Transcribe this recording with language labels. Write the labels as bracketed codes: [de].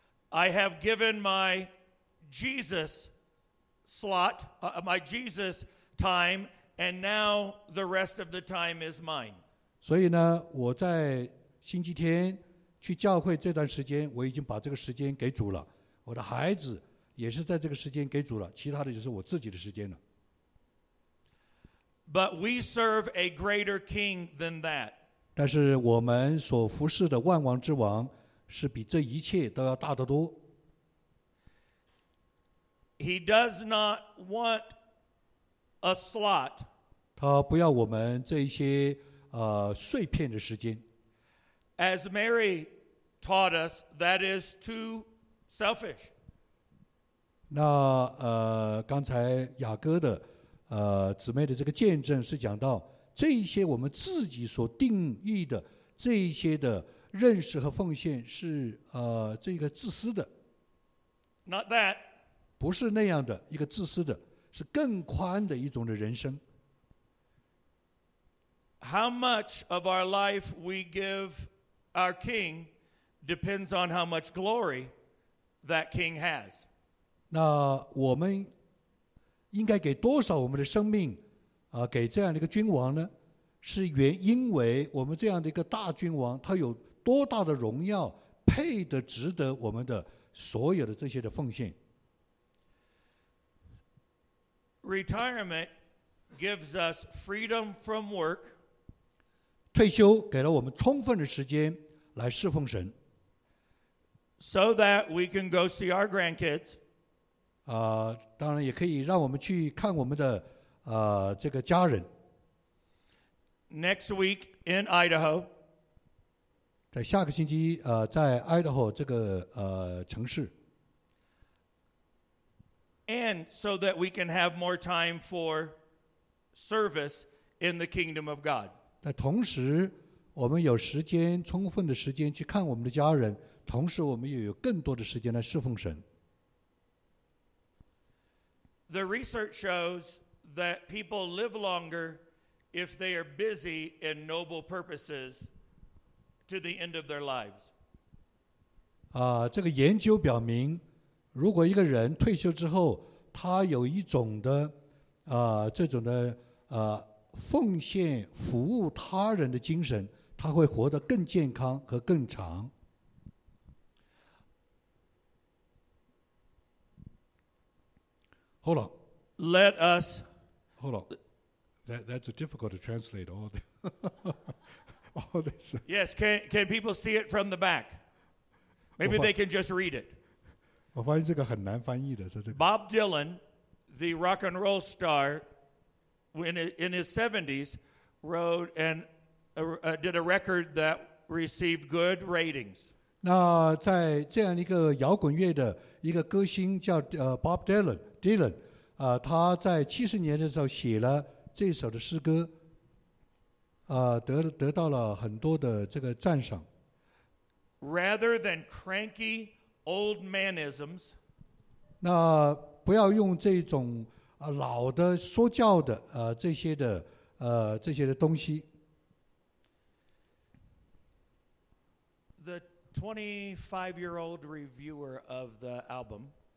[en] I have given my Jesus slot, my Jesus time, and now the rest of the time is mine. [zh] 所以呢，我在星期天去教会这段时间，我已经把这个时间给主了。我的孩子也是在这个时间给主了，其他的就是我自己的时间了。 [en] But we serve a greater king than that. [zh] 但是我们所服侍的万王之王是比这一切都要大得多。 [en] He does not want a slot. [zh] 他不要我们这些碎片的时间。 [en] As Mary taught us, that is too selfish. [zh] 那刚才雅各的姊妹的这个见证是讲到。这些我们自己所定义的这些的认识和奉献是这个自私的。 [en] Not that. [zh] 不是那样的一个自私的，是更宽的一种的人生。 [en] How much of our life we give our king depends on how much glory that king has. [zh] 那我们应该给多少我们的生命给这样的一个君王呢，是因为我们这样的一个大君王他有多大的荣耀配得值得我们的所有的这些的奉献。 [en] Retirement gives us freedom from work. [zh] 退休给了我们充分的时间来侍奉神。 [en] So that we can go see our grandkids. [zh] 当然也可以让我们去看我们的这个家人。 [en] Next week in Idaho. [zh] 在下个星期在 Idaho 这个城市。 [en] And so that we can have more time for service in the kingdom of God. [zh] 在同时我们有时间，充分的时间去看我们的家人，同时我们也有更多的时间来侍奉神。 [en] The research shows that people live longer if they are busy in noble purposes to the end of their lives. [zh] 这个研究表明，如果一个人退休之后，他有一种的这种的奉献服务他人的精神，他会活得更健康和更长。 [en] Hold on. Let us. Hold on. That's a difficult to translate all, the, all this. Yes, can people see it from the back? Maybe they can just read it. [zh] 我发现这个很难翻译的。 [en] Bob Dylan, the rock and roll star, in his 70s, wrote and did a record that received good ratings. [zh] 那在这样一个摇滚乐的一个歌星叫Bob Dylan,他在70年的时候写了这首的诗歌，得到了很多的这个赞赏。 [en] Rather than cranky old manisms, [zh] 那不要用这种老的说教的这些的东西。 [en] The 25-year-old reviewer of the album.